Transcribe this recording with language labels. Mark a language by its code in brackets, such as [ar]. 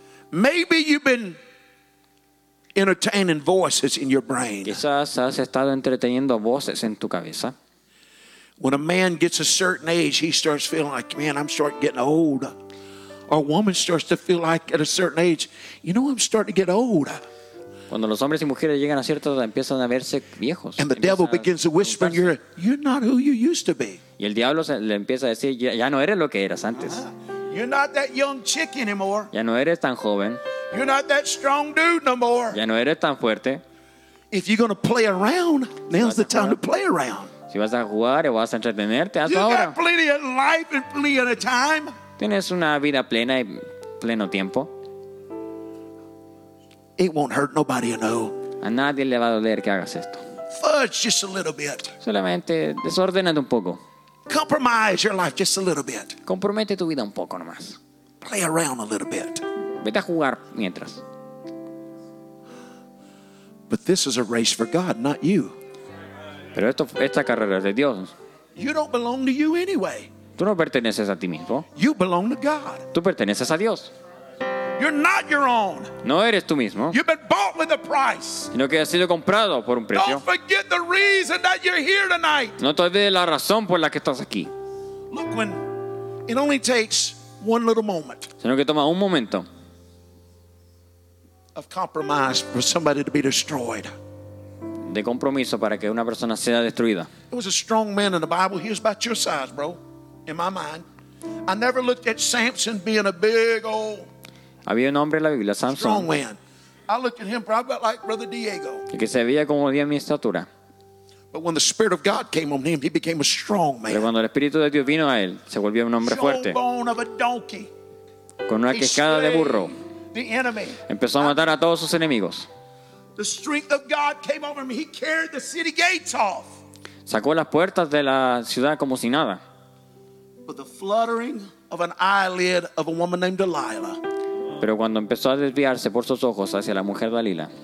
[en] Maybe you've been entertaining voices in your brain. [es] Quizás has estado entreteniendo voces en tu cabeza. [en] When a man gets a certain age, he starts feeling like, man, I'm starting getting old. A woman starts to feel like at a certain age, you know, I'm starting to get old. [es] Cuando los hombres y mujeres llegan a cierta edad, empiezan a verse viejos. [en] And the devil begins to whisper, you're not who you used to be. [es] Y el diablo le empieza a decir, ya no eres lo que eras antes. [en] You're not that young chick anymore. [es] Ya no eres tan joven. [en] You're not that strong dude no more. [es] Ya no eres tan fuerte. [en] If you're going to play around, now's the time to play around. [es] Si vas a jugar o vas a entretenerte, hazlo ahora. [en] You got plenty of life and plenty of time. [es] Tienes una vida plena y pleno tiempo. [en] It won't hurt nobody, you know. [es] A nadie le va a doler que hagas esto. [en] Fudge just a little bit. [es] Solamente desórdenate un poco. [en] Compromise your life just a little bit. [es] Compromete tu vida un poco nomás. [en] Play around a little bit. [es] Vete a jugar mientras. [en] But this is a race for God, not you. [es] Pero esta carrera es de Dios. [en] You don't belong to you anyway. [es] Tú no perteneces a ti mismo. [en] You belong to God. [es] Tú perteneces a Dios. [en] You're not your own. [es] No eres tú mismo. [en] You've been bought with a price. [es] Sino que has sido comprado por un precio. [en] Don't forget the reason that you're here tonight. [es] No te olvides la razón por la que estás aquí. [en] Look, when it only takes one little moment. [es] Sino que toma un momento. [en] Of compromise for somebody to be destroyed. [es] De compromiso para que una persona sea destruida. [en] There was a strong man in the Bible. He was about your size, bro. In my mind, I never looked at Samson being a big old [es] Había un hombre en la Biblia, Samson. [en] Strong man. I looked at him probably like Brother Diego. [es] Y que se veía como de mi estatura. [en] But when the Spirit of God came on him, he became a strong man. [es] Pero cuando el Espíritu de Dios vino a él, se volvió un hombre fuerte. [en] Jawbone of a donkey. [es] Con una quijada de burro. [en] The enemy. [es] Empezó a matar a todos sus enemigos. [en] The strength of God came over him. He carried the city gates off. [es] Sacó las puertas de la ciudad como si nada. [en] But the fluttering of an eyelid of a woman named Delilah. [es] Pero cuando empezó a desviarse por sus ojos hacia la mujer Dalila.